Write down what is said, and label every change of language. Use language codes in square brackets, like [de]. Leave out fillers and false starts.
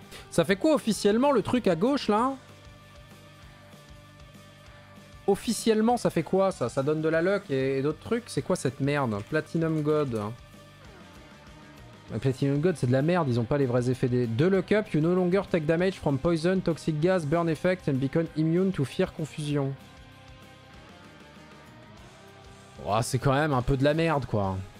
[fr] Ça fait quoi officiellement le truc à gauche là? Officiellement ça fait quoi ça? Ça donne de la luck et d'autres trucs? C'est quoi cette merde? Platinum God. Platinum God c'est de la merde, ils ont pas les vrais effets des... [en] De luck up, you no longer take damage from poison, toxic gas, burn effect and become immune to fear confusion. [fr] Oh, c'est quand même un peu de la merde quoi.